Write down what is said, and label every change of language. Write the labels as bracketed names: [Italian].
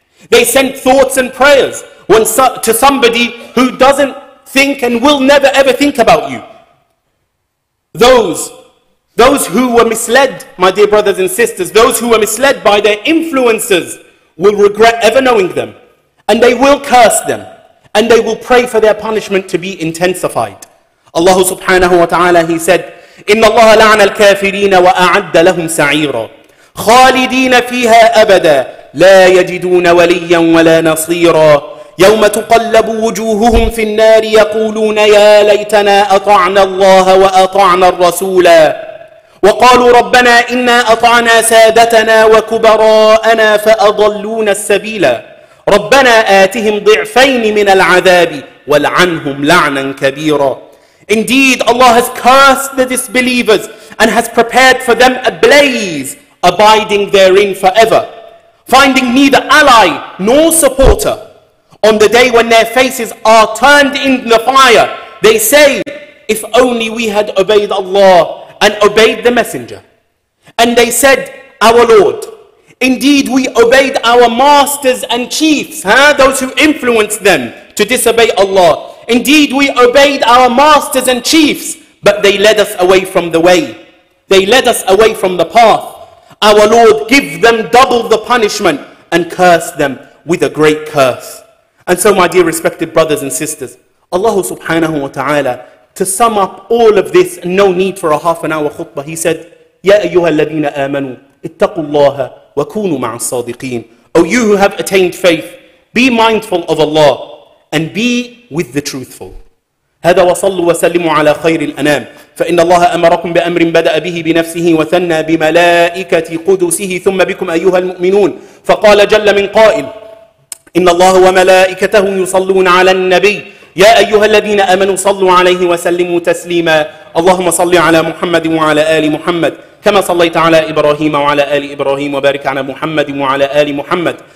[English] They send thoughts and prayers to somebody who doesn't think and will never ever think about you. Those who were misled, my dear brothers and sisters, those who were misled by their influences will regret ever knowing them. And they will curse them. And they will pray for their punishment to be intensified. [Arabic] Allah subhanahu wa ta'ala, [English] he said, [Arabic] إِنَّ اللَّهَ لَعْنَ الْكَافِرِينَ وَأَعَدَّ لَهُمْ سَعِيرًا خَالِدِينَ فِيهَا أَبَدًا لَا يَجِدُونَ وَلِيًّا وَلَا نَصِيرًا يَوْمَ تُقَلَّبُ وُجُوهُهُمْ فِي النَّارِ يَقُولُونَ يَا لَيْتَنَا أَطَعْنَا اللَّهَ وَأَطَعْنَا الرَّسُولَ وَقَالُوا رَبَّنَا إِنَّا أَطَعْنَا سَادَتَنَا وَكُبَرَاءَنَا فَأَضَلُّونَا السَّبِيلَ رَبَّنَا آتِهِمْ ضِعْفَيْنِ مِنَ الْعَذَابِ وَالْعَنْهُمْ لَعْنًا كَبِيرًا. [English] Indeed, Allah has cursed the disbelievers and has prepared for them a blaze abiding therein forever, finding neither ally nor supporter. On the day when their faces are turned in the fire, they say, if only we had obeyed Allah and obeyed the messenger. And they said, our Lord, indeed we obeyed our masters and chiefs, those who influenced them to disobey Allah. Indeed, we obeyed our masters and chiefs, but they led us away from the way. They led us away from the path. Our Lord, give them double the punishment and curse them with a great curse. And so, my dear respected brothers and sisters, Allah subhanahu wa ta'ala, to sum up all of this, no need for a half an hour khutbah, he said, [Arabic] يَا أَيُّهَا الَّذِينَ آمَنُوا اتَّقُوا اللَّهَ وَكُونُوا مَعَ الصَّادِقِينَ. [English] O you who have attained faith, be mindful of Allah and be with the truthful. [Arabic] هذا وصلوا وسلموا على خير الأنام فإن الله أمركم بأمر بدأ به بنفسه وثنى بملائكة قدسه ثم بكم أيها المؤمنون فقال جل من قائل إن الله وملائكته يصلون على النبي يا أيها الذين أمنوا صلوا عليه وسلموا تسليما اللهم صل على محمد وعلى آل محمد كما صليت على إبراهيم وعلى آل إبراهيم وبارك على محمد وعلى آل محمد